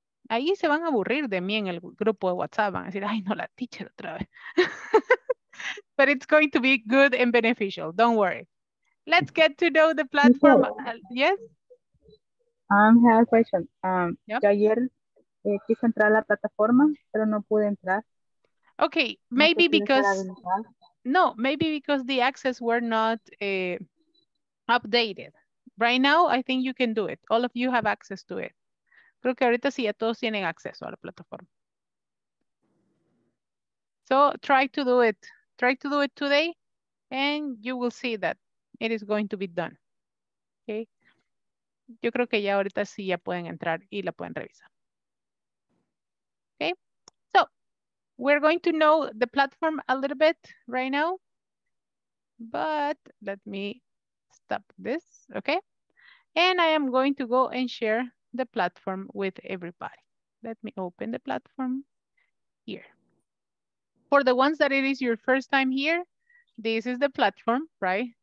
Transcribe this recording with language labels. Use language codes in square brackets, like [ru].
[es] Ahí se van a aburrir de mí en el grupo de WhatsApp. Van a decir, ay, no, la teacher otra vez. [en] But it's going to be good and beneficial. Don't worry. Let's get to know the platform. Yes? Have a question. Yep. [es] Ayer quise entrar a la plataforma, pero no pude entrar. [en] Okay, maybe because the access were not updated. Right now, I think you can do it. All of you have access to it. [es] Creo que ahorita sí, ya todos tienen acceso a la plataforma. [en] So try to do it. Try to do it today, and you will see that it is going to be done. Okay. [es] Yo creo que ya ahorita sí ya pueden entrar y la pueden revisar. [en] Okay, so we're going to know the platform a little bit right now, but let me stop this, okay? And I am going to go and share the platform with everybody. Let me open the platform here. For the ones that it is your first time here, this is the platform, right?